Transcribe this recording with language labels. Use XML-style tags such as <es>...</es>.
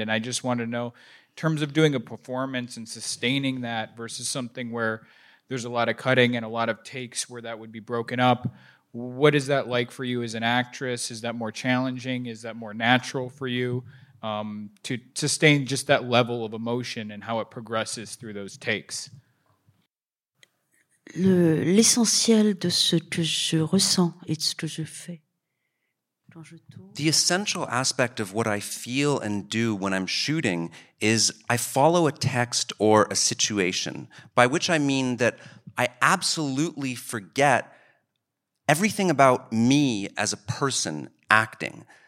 <en>And I just want to know, in terms of doing a performance and sustaining that versus something where there's a lot of cutting and a lot of takes where that would be broken up, what is that like for you as an actress? Is that more challenging? Is that more natural for you to sustain just that level of emotion and how it progresses through those takes?</en> <fr>L'essentiel de ce que je ressens et ce que je fais.</fr> <en>The essential aspect of what I feel and do when I'm shooting is I follow a text or a situation, by which I mean that I absolutely forget everything about me as a person acting.</en>